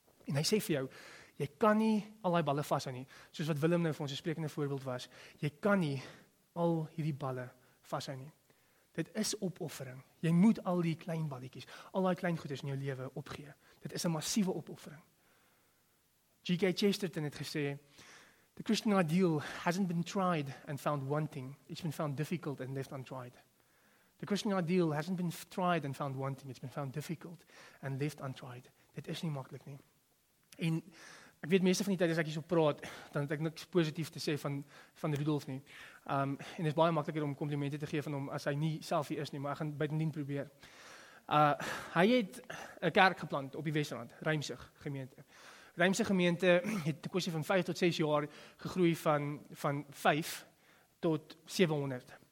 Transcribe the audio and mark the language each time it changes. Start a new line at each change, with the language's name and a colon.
Afrikaans: En hy sê vir jou, jy kan nie al daai balle vashou nie. Soos wat Willem nou vir ons 'n sprekende voorbeeld was. Jy kan nie al hierdie balle vashou nie. Dit is opoffering. Jy moet al die klein balletjies, al daai klein goedes in jou lewe opgee. Dit is 'n massiewe opoffering. G.K.
English: Chesterton
Afrikaans: het gesê,
English: "The Christian ideal hasn't been tried and found wanting. It's been found difficult and left untried." The Christian ideal hasn't been tried and found wanting. It's been found difficult and left untried.
Afrikaans: Dit is nie maklik nie. En ek weet meeste van die tyd as ek hierso praat, dan het ek niks positief te sê van Rudolf nie. En dit is baie makliker om komplimente te gee van hom as hy nie selfie is nie, maar ek gaan buitendien probeer. Hy het 'n kerk geplant op die Wesrand, Ruimsig gemeente. Ruimse gemeente het te kwestie van 5 tot 6 jaar gegroei van 5 tot 700.